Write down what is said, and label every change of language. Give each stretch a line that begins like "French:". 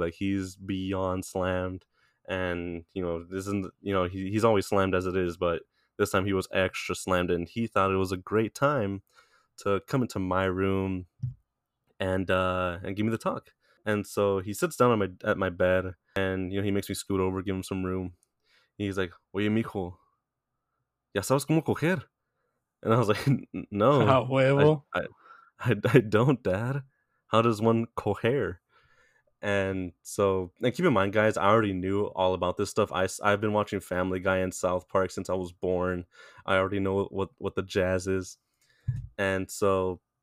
English: Like he's beyond slammed, and you know this isn't. You know he's always slammed as it is, but this time he was extra slammed, and he thought it was a great time to come into my room and give me the talk. And so he sits down at my bed, and you know he makes me scoot over, give him some room.
Spanish: He's like, "Oye, mijo, ¿ya sabes cómo coger?"
English: And I was like, "No, I don't, Dad. How does one coger?" And so, and keep in mind, guys, I already knew all about this stuff. I've been watching Family Guy and South Park since I was born. I already know what the jazz is, and so.